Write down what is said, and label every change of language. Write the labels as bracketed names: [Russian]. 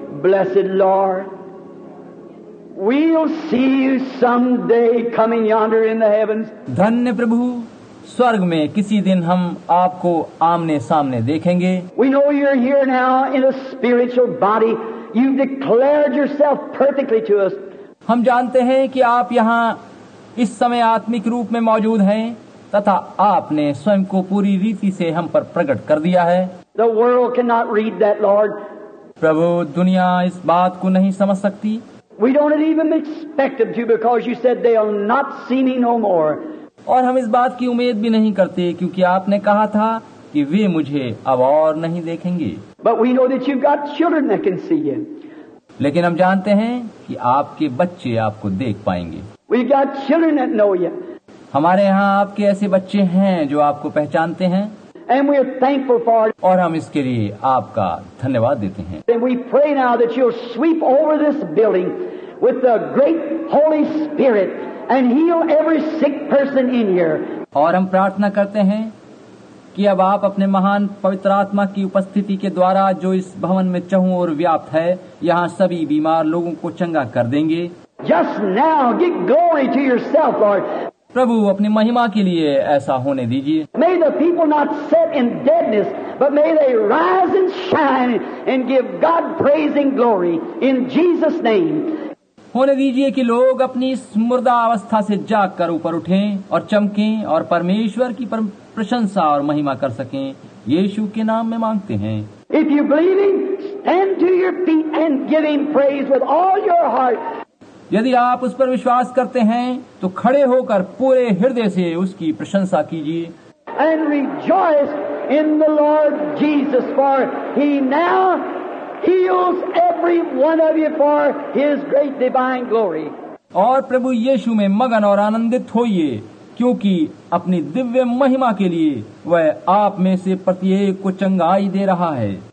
[English] Blessed Lord, we'll see you someday coming yonder in the heavens. [Hindi] धन्य प्रभु, स्वर्ग में किसी दिन हम आपको आमने सामने देखेंगे. [English] We know you're here now in a spiritual body. You've declared yourself perfectly to us. [Hindi] हम जानते हैं कि आप यहाँ इस समय आत्मिक रूप में मौजूद हैं तथा आपने स्वयं को पूरी रीति से हम पर प्रकट कर दिया है. [English] The world cannot read that, Lord. [Hindi] प्रभु, दुनिया इस बात को नहीं समझ सकती. [English] We don't even expect them to because you said they'll not see me no more. [Hindi] और हम इस बात की उम्मीद भी नहीं करते क्योंकि आपने कहा था कि वे मुझे अब और नहीं देखेंगे. [English] But we know that you've got children that can see you. [Hindi] लेकिन हम जानते हैं कि आपके बच्चे आपको देख पाएंगे. [English] We've got children that know you. [Hindi] हमारे यहाँ आपके ऐसे बच्चे हैं जो आपको पहचानते हैं. [English] And we are thankful for it. [Hindi] और हम इसके लिए आपका धन्यवाद देते हैं. [English] And we pray now that you'll sweep over this building with the great Holy Spirit and heal every sick person in here. [Hindi] और हम प्रार्थना करते हैं कि अब आप अपने महान पवित्र आत्मा की उपस्थिति के द्वारा जो इस भवन में चहुं और व्याप्त है, यहाँ सभी बीमार लोगों को चंगा कर देंगे. [English] Just now, give glory to yourself, Lord. [Hindi] प्रभु, अपनी महिमा के लिए ऐसा होने दीजिए. [English] May the people not sit in deadness, but may they rise and shine and give God praise and glory in Jesus' name. [Hindi] होने दीजिए कि लोग अपनी इस मुर्दा अवस्था से जागकर ऊपर उठें और चमकें और परमेश्वर की प्रशंसा और महिमा कर सकें. यीशु के नाम में मांगते हैं. [English] If you believe him, stand to your feet and give him praise with all your heart. [Hindi] यदि आप उस पर विश्वास करते हैं तो खड़े होकर पूरे हृदय से उसकी प्रशंसा कीजिए. [English] And rejoice in the Lord Jesus, for he now heals every one of you for his great divine glory. [Hindi] और प्रभु यीशु में मगन और आनंदित होइए क्योंकि अपनी दिव्य महिमा के लिए वह आप में से प्रत्येक को चंगाई दे रहा है.